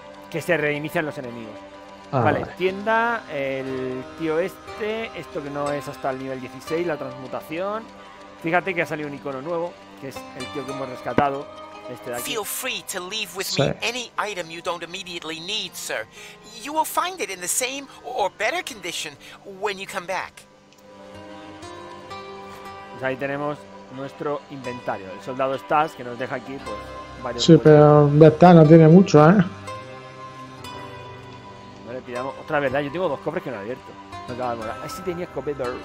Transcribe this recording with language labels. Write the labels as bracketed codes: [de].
[es] que se reinician los enemigos. Vale. Tienda, el tío este. Esto que no es hasta el nivel 16, la transmutación. Fíjate que ha salido un icono nuevo, que es el tío que hemos rescatado. [en] Feel free to leave with me any item you don't immediately need, sir. You will find it in the same or better condition when you come back. [es] Pues ahí tenemos nuestro inventario. El soldado Stas, que nos deja aquí, pues, varios... Sí, pero Stas no tiene mucho, ¿eh? No le pidamos... Otra verdad, yo tengo dos cofres que no he abierto. No acaba de morar. Ahí sí tenía escopeta.